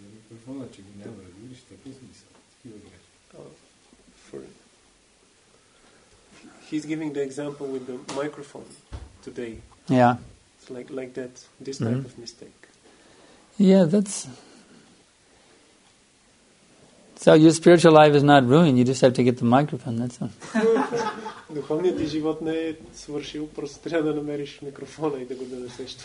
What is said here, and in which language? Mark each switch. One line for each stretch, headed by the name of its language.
Bulgarian: Микрофона, че ги няма, разбираш, такъв смисъл.
English: He's giving the example with the microphone today. Yeah. It's like that, this type of mistake. Yeah, that's... So your spiritual life is not ruined, you just have to get the microphone, that's all.
Bulgarian: Духовният живот не е свършил, просто трябва да намериш микрофона и да го донесеш.